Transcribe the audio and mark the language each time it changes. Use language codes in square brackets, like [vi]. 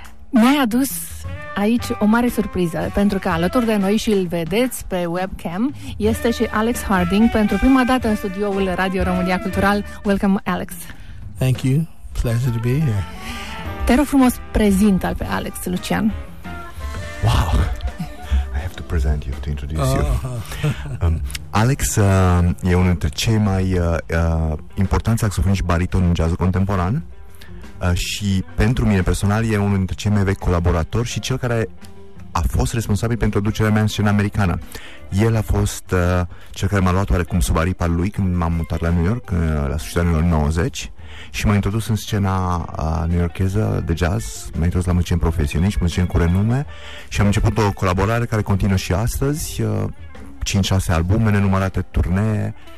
[ro] Mi-ai adus aici o mare surpriză, pentru că alături de noi, și îl vedeți pe webcam, este și Alex Harding, pentru prima dată în studioul Radio România Cultural. [en] Welcome, Alex. Thank you. Pleasure to be here. [ro] Te rog frumos, prezintă-l pe Alex, Lucian. Wow. [en] I have to present you, to introduce you. [ro] Alex e unul dintre cei mai importanți saxofoniști bariton în jazzul contemporan. Și pentru mine personal e unul dintre cei mai vechi colaboratori și cel care a fost responsabil pentru aducerea mea în scena americană. El a fost cel care m-a luat oarecum sub aripa lui când m-am mutat la New York la sfârșitul anilor 90 și m-a introdus în scena new-yorkeză de jazz, m-a introdus la muzicieni profesioniști, muzicieni cu renume, și am început o colaborare care continuă și astăzi, 5-6 albume, nenumărate turnee.